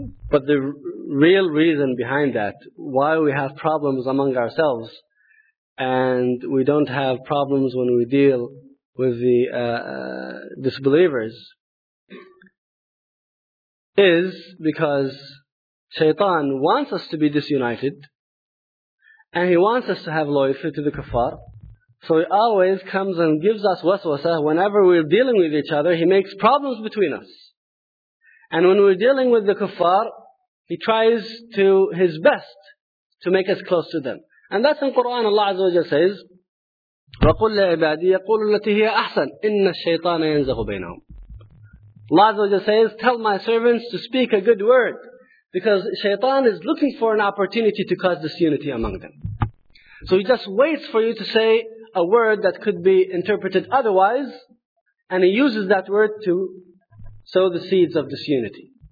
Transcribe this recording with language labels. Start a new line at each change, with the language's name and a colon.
English: But the real reason behind that, why we have problems among ourselves and we don't have problems when we deal with the disbelievers, is because Shaytan wants us to be disunited, and he wants us to have loyalty to the kuffar. So he always comes and gives us waswasa whenever we're dealing with each other. He makes problems between us, and when we're dealing with the kuffar, he tries to his best to make us close to them. And that's in Quran. Allah Azza wa Jalla says,
Arabic: وَقُلْ لِعِبَادِي يَقُولُ الَّتِي هِيَ أَحْسَنُ إِنَّ الشَّيْطَانَ يَنْزَغُ بَيْنَهُمْ.
English: Allah Azza wa Jalla says, tell my servants to speak a good word, because Shaytan is looking for an opportunity to cause disunity among them. So he just waits for you to say a word that could be interpreted otherwise, and he uses that word to sow the seeds of disunity.